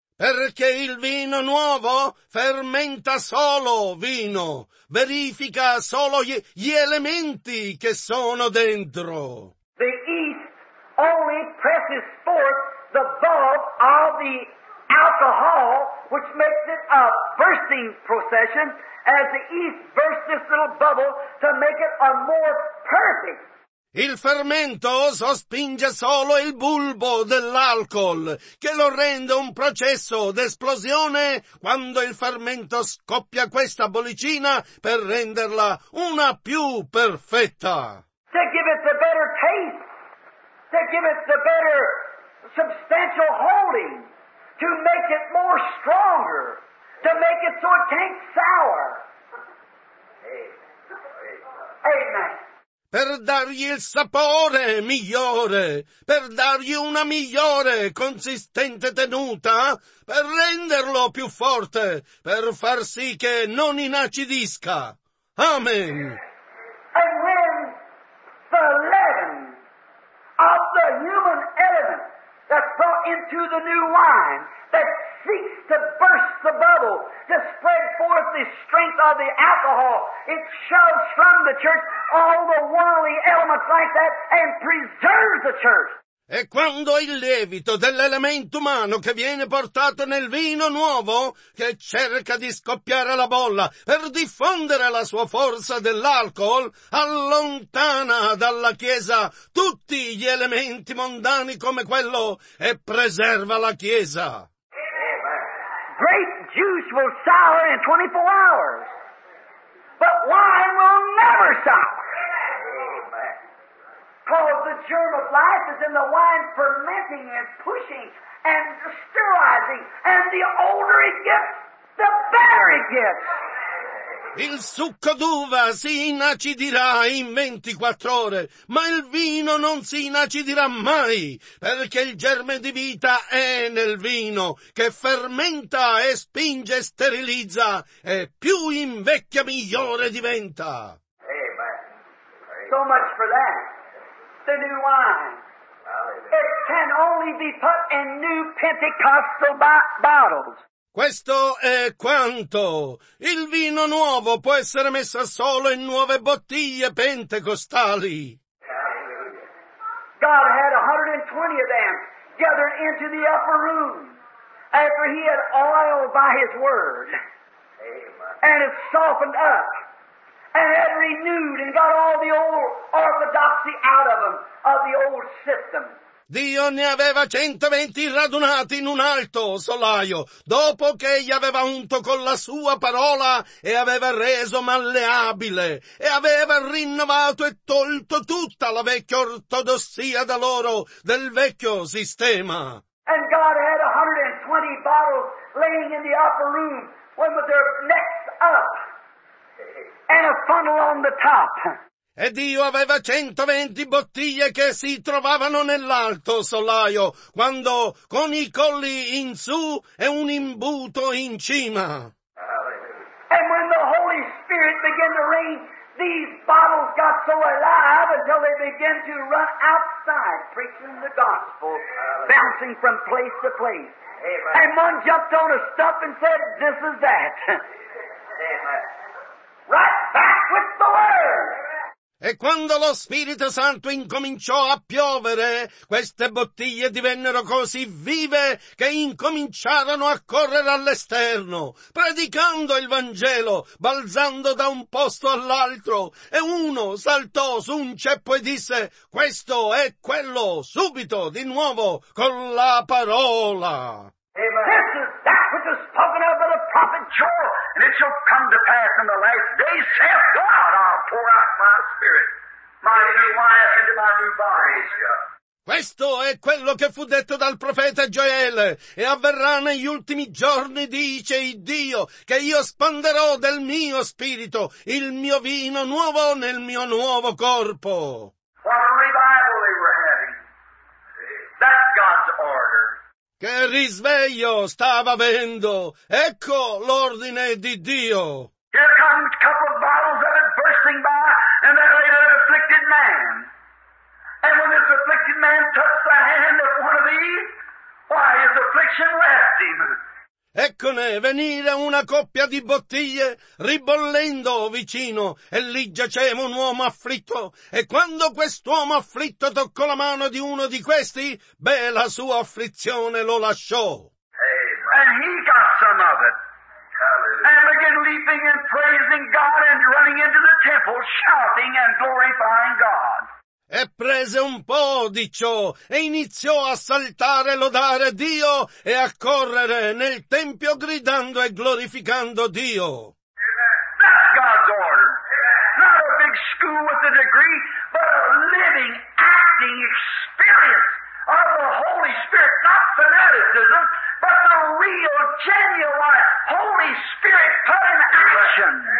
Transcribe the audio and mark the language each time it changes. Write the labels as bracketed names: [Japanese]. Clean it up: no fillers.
[Italian] Perché il vino nuovo fermenta solo vino, verifica solo gli elementi che sono dentro. [English] The yeast only presses forth the bulk of the alcohol, which makes it a bursting procession, as the yeast bursts this little bubble to make it a more perfect. [Italian] Il fermento sospinge solo il bulbo dell'alcol, che lo rende un processo d'esplosione quando il fermento scoppia questa bollicina per renderla una più perfetta. [English] To give it the better taste. To give it the better substantial holding, to make it more stronger, to make it so it can't sour. Amen. [Italian] Per dargli il sapore migliore, per dargli una migliore consistente tenuta, per renderlo più forte, per far sì che non inacidisca. [English] Amen. And when the leaven of the human element that's brought into the new wine that seeks to burst the bubble to spread forth the strength of the alcohol. It shoves from the church all the worldly elements like that and preserves the church. [Italian] E quando il lievito dell'elemento umano che viene portato nel vino nuovo, che cerca di scoppiare la bolla per diffondere la sua forza dell'alcol, allontana dalla Chiesa tutti gli elementi mondani come quello e preserva la Chiesa. [English] Great juice will sour in 24 hours, but wine will never sour. Because the germ of life is in the wine fermenting and pushing and sterilizing, and the older it gets, the better it gets. [Italian] Il succo d'uva si inacidirà in 24 ore, ma il vino non si inacidirà mai, perché il germe di vita è nel vino, che fermenta e spinge e sterilizza, e più invecchia migliore diventa. [English] Amen. So much for that. The new wine. It can only be put in new Pentecostal bottles. [Italian] Questo è quanto. Il vino nuovo può essere messo solo in nuove bottiglie pentecostali. [English] God had 120 of them gathered into the upper room after he had oiled by his word. Amen. And it softened up. And had renewed and got all the old orthodoxy out of them, of the old system. [Italian] Dio ne aveva 120 radunati in un alto solaio, dopo che egli aveva unto con la sua parola e aveva reso malleabile, e aveva rinnovato e tolto tutta la vecchia ortodossia da loro, del vecchio sistema. [English] And God had 120 bottles laying in the upper room, when with their necks up. And a funnel on the top. [Italian] E Dio aveva 120 bottiglie che si trovavano nell'alto solaio, quando con i colli in su e un imbuto in cima. [English] And when the Holy Spirit began to rain, these bottles got so alive until they began to run outside, preaching the gospel, bouncing from place to place. Amen. And one jumped on a stump and said, "This is that." Amen. Right back with the word. [Italian] E quando lo Spirito Santo incominciò a piovere, queste bottiglie divennero così vive che incominciarono a correre all'esterno, predicando il Vangelo, balzando da un posto all'altro, e uno saltò su un ceppo e disse: "Questo è quello, subito, di nuovo, con la parola." [English] Amen. Spoken of by the prophet Joel, and it shall come to pass in the last days, saith God, I'll pour out my spirit, my new wine into my new body. [Italian] Questo è quello che fu detto dal profeta Gioele, e avverrà negli ultimi giorni, dice il Dio, che io spanderò del mio spirito il mio vino nuovo nel mio nuovo corpo. [English] What a revival they were having. That's God's order. [Italian] Che risveglio stava avendo! Ecco l'ordine di Dio! [English] Here come a couple of bottles that are bursting by, and there laid an afflicted man. And when this afflicted man touched the hand of one of these, why, his affliction left him. [Italian] Eccone venire una coppia di bottiglie ribollendo vicino, e lì giaceva un uomo afflitto, e quando quest'uomo afflitto toccò la mano di uno di questi, beh, la sua afflizione lo lasciò. [English] And he got some of it. And began leaping and praising God and running into the temple, shouting and glorifying God. [Italian] E prese un po' di ciò, e iniziò a saltare e lodare Dio, e a correre nel tempio gridando e glorificando Dio. [English] That's God's order. Not a big school with a degree, but a living, acting experience of the Holy Spirit. Not fanaticism, but the real, genuine Holy Spirit put in action.